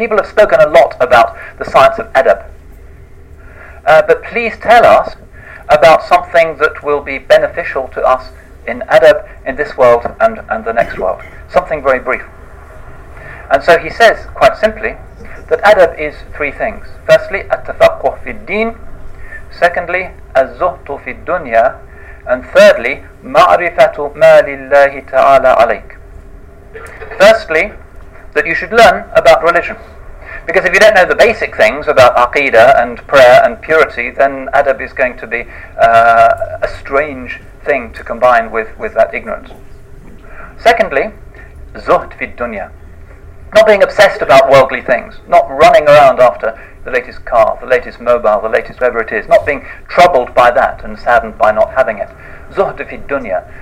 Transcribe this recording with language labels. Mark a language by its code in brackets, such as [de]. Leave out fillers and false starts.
[en] People have spoken a lot about the science of adab. But please tell us about something that will be beneficial to us in adab in this world and the next world. Something very brief. And so he says, quite simply, that adab is three things. Firstly, [ar] التَفَقُّه فِي الدِّينِ. [en] Secondly, [ar] الزُّهْتُ فِي الدُّنْيَا. [en] And thirdly, [ar] مَعْرِفَةُ مَا لِلَّهِ تَعَالَى عَلَيْكَ. [en] Firstly, that you should learn about religion. Because if you don't know the basic things about aqidah and prayer and purity, then adab is going to be a strange thing to combine with that ignorance. Secondly, zuhd fi dunya. Not being obsessed about worldly things, not running around after the latest car, the latest mobile, the latest whatever it is, not being troubled by that and saddened by not having it. Zuhd fi dunya.